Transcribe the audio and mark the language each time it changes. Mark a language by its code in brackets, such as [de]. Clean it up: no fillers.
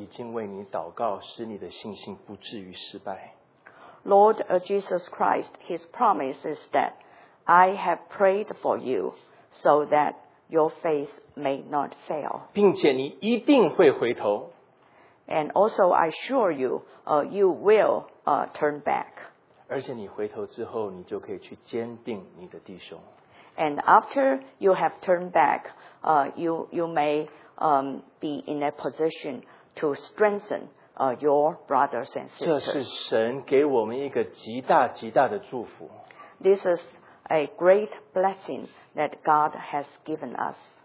[zh] 主耶稣基督他的应许是我已经为你祷告，使你的信心不至于失败。 [en] Lord Jesus Christ, his promise is that I have prayed for you so that your faith may not fail. [zh] 并且你一定会回头。 [en] And also I assure you, you will turn back. [zh] 而且你回头之后，你就可以去坚定你的弟兄。 [en] And after you have turned back, you may be in a position to strengthen your brothers and sisters. [zh] 这是神给我们一个极大极大的祝福。 [en] This is a great blessing that God has given us.